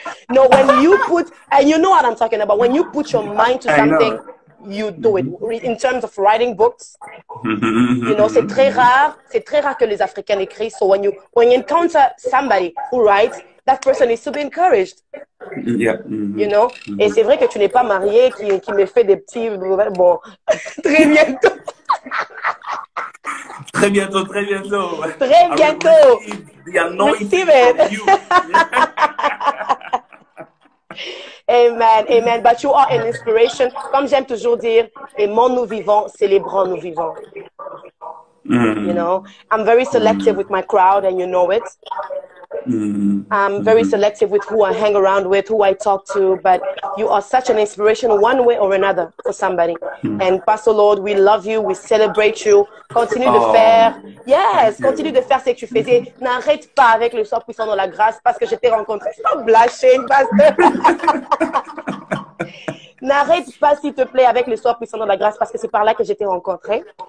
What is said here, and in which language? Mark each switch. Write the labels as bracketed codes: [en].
[en] No, when you put, and you know what I'm talking about, when you put your mind to something, you do it. In terms of writing books, you know, [fr] c'est très rare que les Africains écrivent. [en] So when you encounter somebody who writes, that person is to be encouraged. Yeah. Mm-hmm. You know, mm-hmm. [fr] Et c'est vrai que tu n'es pas marié qui me fait des petits, bon, très bientôt. Très bientôt. [en] Receive it. Amen. But you are an inspiration. [fr] Comme j'aime toujours dire, aimons nous vivants, célébrons nous vivants. [en] Mm. You know, I'm very selective with my crowd, and you know it. I'm very selective with who I hang around with, who I talk to, but you are such an inspiration one way or another for somebody. And Pastor Lord, we love you, we celebrate you. [fr] Continue de faire. Yes, continue de faire ce que tu faisais. N'arrête pas avec le soir puissant dans la grâce parce que je t'ai rencontré. [en] Stop blushing, Pastor. [fr] N'arrête pas, s'il te plaît, avec le soir puissant dans la grâce parce que c'est par là que je t'ai rencontré.